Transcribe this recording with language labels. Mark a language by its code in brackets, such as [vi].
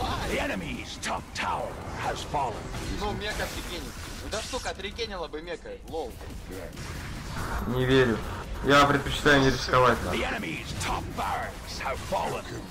[en] The enemy's top tower has fallen. [ru] Ну, мека отрекенил. Ну да что, отрекенила бы мека, лол. Не верю. Я предпочитаю не рисковать, да. [en] The enemy's top barracks have fallen.